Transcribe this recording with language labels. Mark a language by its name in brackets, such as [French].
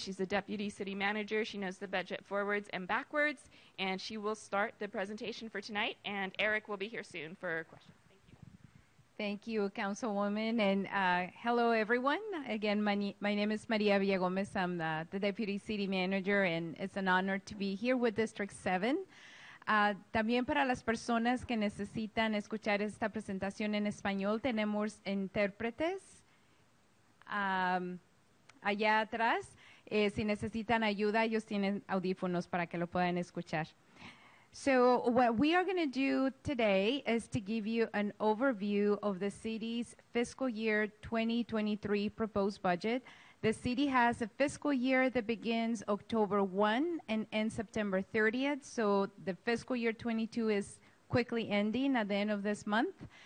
[English] She's the deputy city manager. She knows the budget forwards and backwards, and she will start the presentation for tonight, and Eric will be here soon for questions. Thank you. Thank you, Councilwoman, and hello, everyone. Again, my name is Maria Villa Gomez. I'm the deputy city manager, and it's an honor to be here with District 7. [Spanish] También para las personas que necesitan escuchar esta presentación en español, tenemos intérpretes. Allá atrás, si necesitan ayuda, ellos tienen audífonos para que lo puedan escuchar. [English] So what we are going to do today is to give you an overview of the city's fiscal year 2023 proposed budget The city has a fiscal year that begins October 1 and ends September 30th. So the fiscal year 22 is quickly ending at the end of this month.